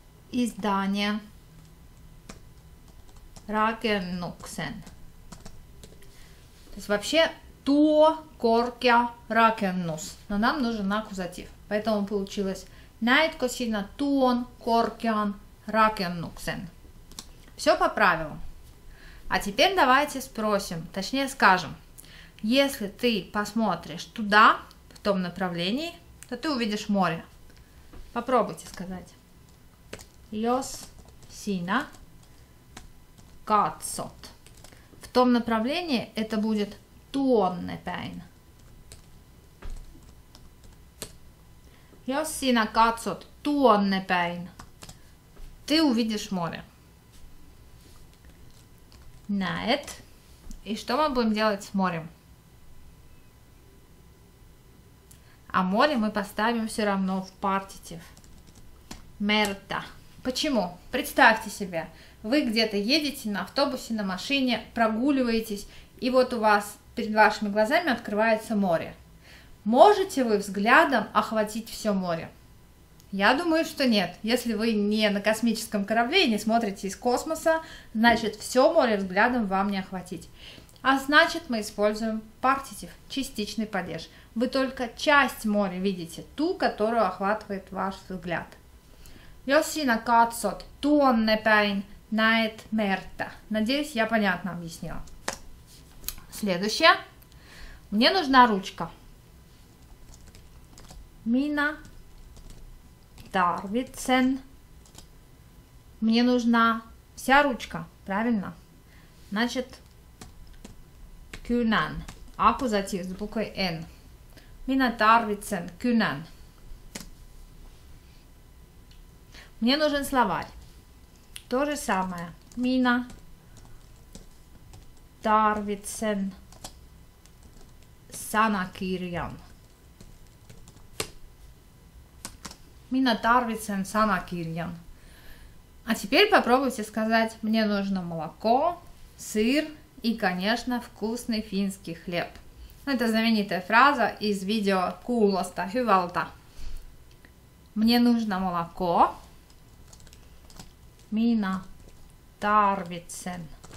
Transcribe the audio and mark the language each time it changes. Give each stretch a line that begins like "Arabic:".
Russian: И здание. Ракенуксен. То есть вообще
Finnish: Tuo korkea rakennus.
Russian: Но нам нужен аккузатив. Поэтому получилось
Finnish: näetkö sinä tuon korkean rakennuksen.
Russian: Все по правилам. А теперь давайте спросим, точнее скажем. Если ты посмотришь туда, в том направлении, то ты увидишь море. Попробуйте сказать.
Finnish: Jos sinä katsot.
Russian: В том направлении это будет
Finnish: tuonne päin. Jos sinä katsot tuonne päin.
Russian: Ты увидишь море.
Finnish: Näet.
Russian: И что мы будем делать с морем? А море мы поставим все равно в партитив. Мерта. Почему? Представьте себе. Вы где-то едете на автобусе, на машине, прогуливаетесь, и вот у вас перед вашими глазами открывается море. Можете вы взглядом охватить все море? Я думаю, что нет. Если вы не на космическом корабле и не смотрите из космоса, значит, все море взглядом вам не охватить. А значит, мы используем партитив, частичный падеж. Вы только часть моря видите, ту, которую охватывает ваш взгляд.
Finnish: Jos sinä katsot tuonne päin, näet merta.
Russian: Надеюсь, я понятно объяснила. Следующее. Мне нужна ручка.
Finnish: Minä tarvitsen.
Russian: Мне нужна вся ручка, правильно? Значит, kynän. Аккузатив с буквой N.
Finnish: Minä tarvitsen kynän.
Russian: Мне нужен словарь. То же самое.
Finnish: Minä tarvitsen sanakirjan. Minä tarvitsen sanakirjan.
Russian: А теперь попробуйте сказать, мне нужно молоко, сыр и, конечно, вкусный финский хлеб. Это знаменитая фраза из видео Куласта Хювалта. Мне нужно молоко.
Finnish: Minä tarvitsen.